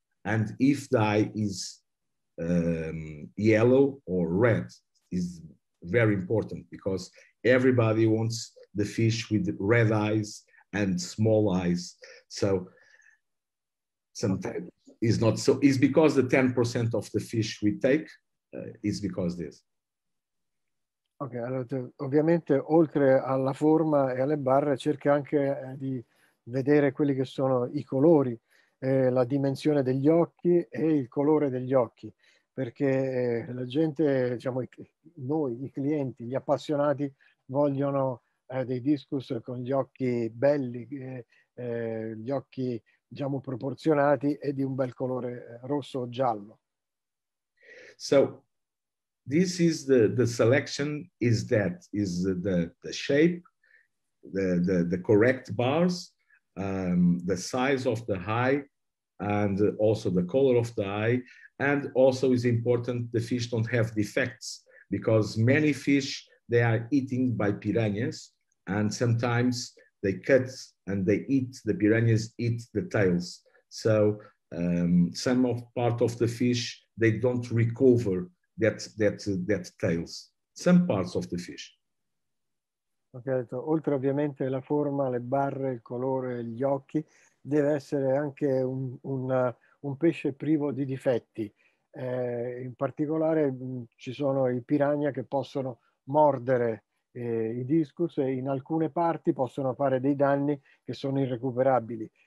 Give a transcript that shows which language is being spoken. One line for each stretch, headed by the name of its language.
English: And if the eye is yellow or red, is very important, because everybody wants the fish with red eyes and small eyes. So sometimes it's not so. It's because the 10% of the fish we take is because this.
Italian: Okay, allora, ovviamente oltre alla forma e alle barre, cerca anche di vedere quelli che sono i colori. La dimensione degli occhi e il colore degli occhi, perché la gente, diciamo noi, i clienti, gli appassionati vogliono dei discus con gli occhi belli, gli occhi diciamo proporzionati e di un bel colore rosso o giallo.
English: So this is the selection is that is the shape, the correct bars, the size of the eye, and also the color of the eye, and also is important the fish don't have defects, because many fish they are eating by piranhas, and sometimes they cut and they eat, the piranhas eat the tails. So some of part of the fish they don't recover that tails, some parts of the fish.
Italian: Ok, detto, oltre ovviamente la forma, le barre, il colore, gli occhi, deve essere anche un pesce privo di difetti. In particolare ci sono i piranha che possono mordere i discus e in alcune parti possono fare dei danni che sono irrecuperabili.